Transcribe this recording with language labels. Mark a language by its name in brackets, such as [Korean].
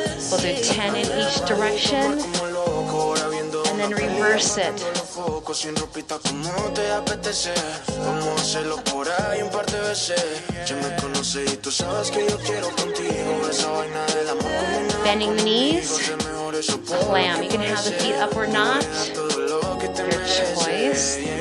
[English] We'll do 10 in each direction, and then reverse it. [Spanish] Sin ropita como te apetece, vamos a hacerlo por ahí un par de veces. Ya me conoces y tú sabes que yo quiero contigo esa vaina del amor. [English] Bending the knees, clam. You can have the feet up or not. Your choice.